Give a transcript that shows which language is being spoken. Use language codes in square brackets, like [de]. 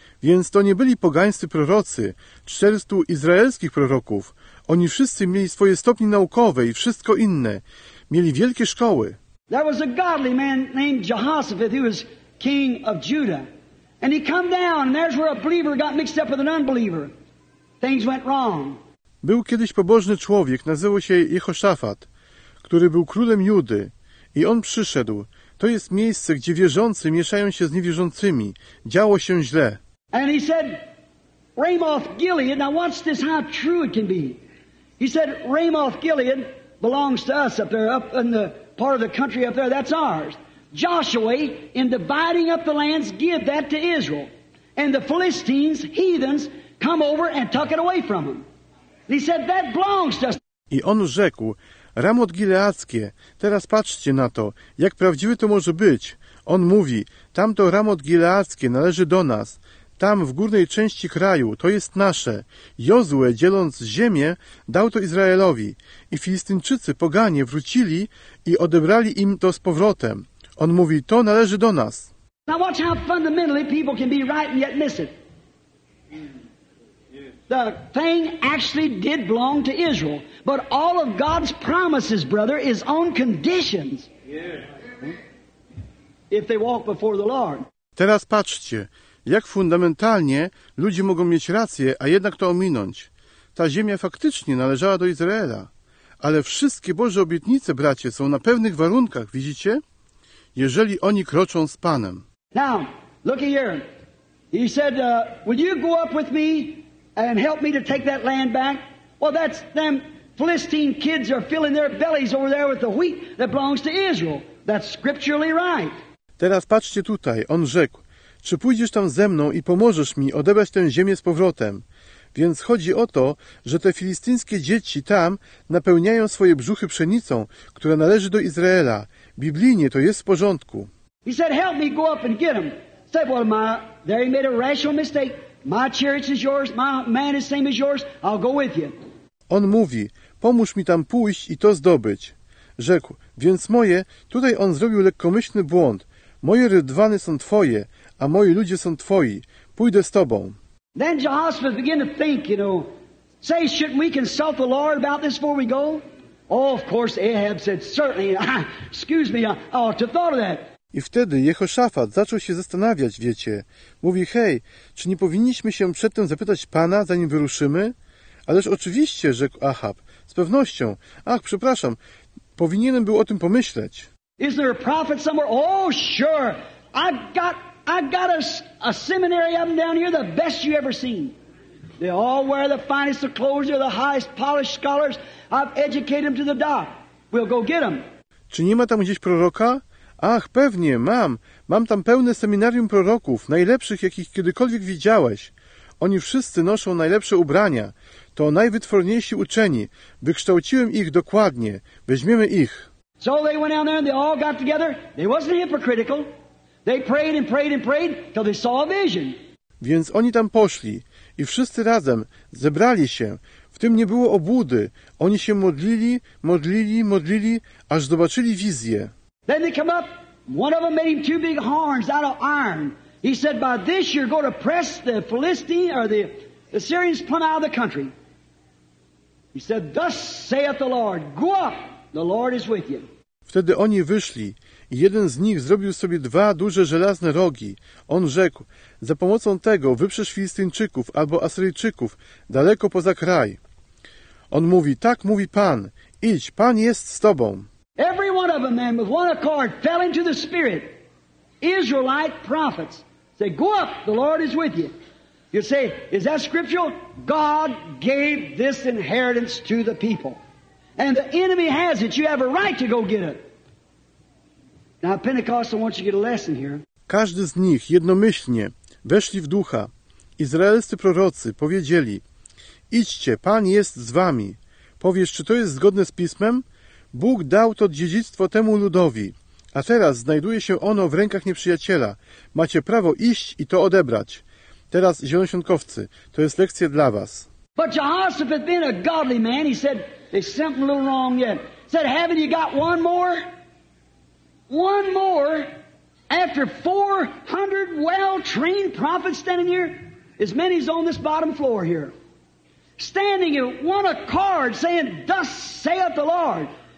[pl] Więc to nie byli pogańscy prorocy, 400 izraelskich proroków. Oni wszyscy mieli swoje stopnie naukowe i wszystko inne. Mieli wielkie szkoły. [en] There was a godly man named Jehoshaphat, who was king of Judah. And he come down, and there's where a believer got mixed up with an unbeliever. Things went wrong. [pl] Był kiedyś pobożny człowiek, nazywał się Jehoszafat, który był królem Judy. I on przyszedł. To jest miejsce, gdzie wierzący mieszają się z niewierzącymi. Działo się źle. [en] And he said, Ramoth Gilead, now watch this, how true it can be. He said, Ramoth Gilead belongs to us up there, up in the part of the country up there, that's ours. Joshua, in dividing up the lands, give that to Israel. And the Philistines, heathens, come over and took it away from them. He said, that belongs to us. [pl] I on rzekł, Ramot Gileackie, teraz patrzcie na to, jak prawdziwe to może być. On mówi, tamto Ramot Gileackie należy do nas. Tam, w górnej części kraju, to jest nasze. Jozue, dzieląc ziemię, dał to Izraelowi. I Filistynczycy, poganie, wrócili i odebrali im to z powrotem. On mówi, to należy do nas. [en] Now watch how fundamentally people can be right and yet miss it. The thing actually did belong to Israel. But all of God's promises, brother, is on conditions. If they walk before the Lord. [pl] Teraz patrzcie. Jak fundamentalnie ludzie mogą mieć rację, a jednak to ominąć. Ta ziemia faktycznie należała do Izraela. Ale wszystkie Boże obietnice, bracie, są na pewnych warunkach, widzicie? Jeżeli oni kroczą z Panem. [en] Now, look here. He said, would you go up with me and help me to take that land back? Well, that's them Philistine kids are filling their bellies over there with the wheat that belongs to Israel. That's scripturally right. [pl] Teraz patrzcie tutaj, on rzekł. Czy pójdziesz tam ze mną i pomożesz mi odebrać tę ziemię z powrotem? Więc chodzi o to, że te filistyńskie dzieci tam napełniają swoje brzuchy pszenicą, która należy do Izraela. Biblijnie to jest w porządku. [en] He said, help me go up and get them. Said, well, there he made a rational mistake. My chariot is yours, my man is same as yours. I'll go with you. [pl] On mówi, pomóż mi tam pójść i to zdobyć. Rzekł, więc moje, tutaj on zrobił lekkomyślny błąd. Moje rydwany są twoje, a moi ludzie są twoi. Pójdę z tobą. [en] Then Jehoshaphat began to think, you know, say, shouldn't we consult the Lord about this before we go? Oh, of course, Ahab said, certainly, excuse me, I ought to have thought of that. [pl] I wtedy Jehoszafat zaczął się zastanawiać, wiecie. Mówi, hej, czy nie powinniśmy się przedtem zapytać Pana, zanim wyruszymy? Ależ oczywiście, rzekł Ahab, z pewnością. Ach, przepraszam, powinienem był o tym pomyśleć. [en] Is there a prophet somewhere? Oh, sure. I got a seminary up and down here, the best you ever seen. They all wear the finest of clothes, they're the highest polished scholars. I've educated them to the dot. We'll go get them. [pl] Czy nie ma tam gdzieś proroka? Ach, pewnie, mam. Mam tam pełne seminarium proroków, najlepszych, jakich kiedykolwiek widziałeś. Oni wszyscy noszą najlepsze ubrania. To najwytworniejsi uczeni. Wykształciłem ich dokładnie. Weźmiemy ich. [en] So they went down there and they all got together. They wasn't hypocritical. They prayed and prayed and prayed till they saw a vision. [pl] Więc oni tam poszli i wszyscy razem zebrali się. W tym nie było obłudy. Oni się modlili, modlili, modlili, aż zobaczyli wizję. [en] Then they come up, one of them made him two big horns out of iron. He said, by this you're going to press the Philistine or the Assyrians plumb out of the country. He said, thus saith the Lord, go up, the Lord is with you. [pl] Wtedy oni wyszli i jeden z nich zrobił sobie dwa duże żelazne rogi. On rzekł, za pomocą tego wyprzesz Filistyńczyków albo Asyryjczyków daleko poza kraj. On mówi, tak mówi Pan, idź, Pan jest z tobą. [en] Every one of them, with one accord, fell into the spirit. Israelite prophets say, "Go up, the Lord is with you." You say, "Is that scriptural?" God gave this inheritance to the people, and the enemy has it. You have a right to go get it. Now, Pentecostal, I want you to get a lesson here. [pl] Każdy z nich jednomyślnie weszli w ducha. Izraelscy prorocy powiedzieli: "Idźcie, Pan jest z wami." Powiesz, czy to jest zgodne z Pismem? Bóg dał to dziedzictwo temu ludowi, a teraz znajduje się ono w rękach nieprzyjaciela. Macie prawo iść i to odebrać. Teraz, zielonosionkowcy, to jest lekcja dla was. [en] But Jehoshaphat, being a godly man, he said, there's something a little wrong yet. He said, haven't you got one more? One more? After 400 well-trained prophets standing here? As many as on this bottom floor here. Standing at one accord, saying, thus saith the Lord.